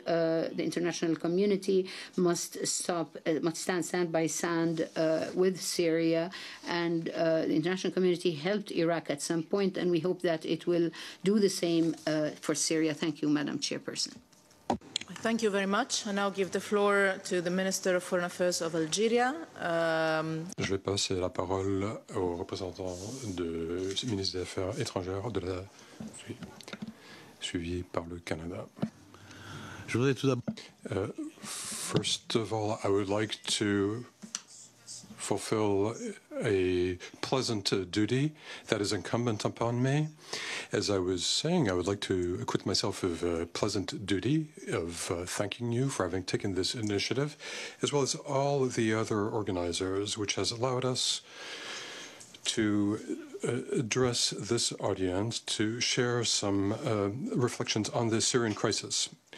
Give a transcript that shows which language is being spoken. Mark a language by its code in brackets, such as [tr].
[en] The international community must stand by with Syria. And the international community helped Iraq at some point, and we hope that it will do the same for Syria. Thank you, Madam Chairperson. Thank you very much. I now give the floor to the Minister of Foreign Affairs of Algeria. [fr] Je vais passer la parole au représentant du ministre des Affaires étrangères de la suivi par le Canada. Je voudrais tout d'abord. [en] First of all, I would like to fulfill a pleasant duty that is incumbent upon me, As I was saying, I would like to acquit myself of a pleasant duty of thanking you for having taken this initiative, as well as all the other organizers, which has allowed us to address this audience to share some reflections on the Syrian crisis.